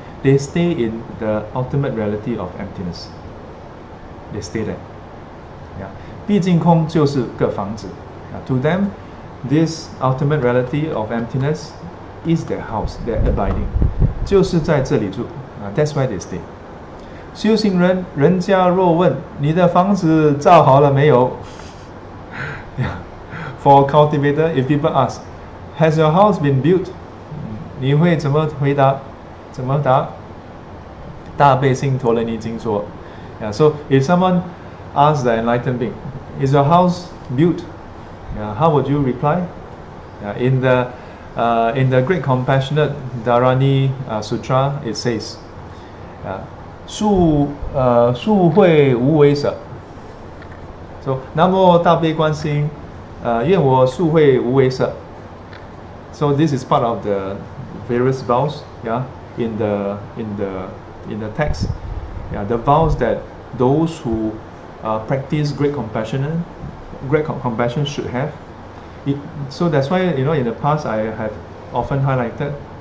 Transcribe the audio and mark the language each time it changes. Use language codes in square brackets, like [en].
[en] They stay in the ultimate reality of emptiness. They stay there. Yeah. [zh] 毕竟空就是个房子. [en] Yeah. To them, this ultimate reality of emptiness is their house, their abiding. [zh] 就是在这里住. [en] That's why they stay. [zh] 修行人，人家若问，你的房子造好了没有? [en] Yeah. For a cultivator, if people ask, has your house been built? [zh] 你会怎么回答？怎么答？大悲心陀罗尼经说 ，Yeah. [en] So if someone asks the enlightened being, "Is your house built?" Yeah. How would you reply? Yeah. In the Great Compassionate Dharani Sutra, it says, "Yeah. [zh] 树会无为舍。 So 南无大悲观世音，愿我树会无为舍。 [en] So this is part of the various vows, yeah, in the text, yeah, the vows that those who practice great compassion should have. So that's why you know in the past I have often highlighted.